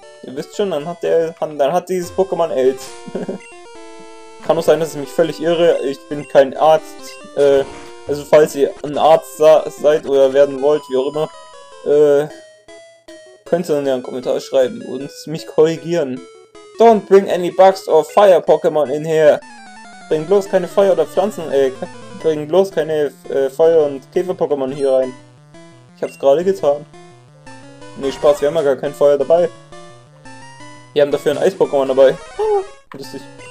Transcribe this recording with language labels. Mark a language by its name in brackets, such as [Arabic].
[German] Ihr wisst schon, dann hat dieses Pokémon AIDS. Kann auch sein, dass ich mich völlig irre. Ich bin kein Arzt. Also falls ihr ein Arzt seid oder werden wollt, wie auch immer, könnt ihr dann ja einen Kommentar schreiben und mich korrigieren. [English] Don't bring any bugs or fire Pokémon in here. [German] Bring bloß keine Feuer- oder Pflanzen, bring bloß keine Feuer- und Käfer-Pokémon hier rein. Ich hab's gerade getan. Nee, Spaß, wir haben ja gar kein Feuer dabei. Wir haben dafür ein Eis-Pokémon dabei. Lustig.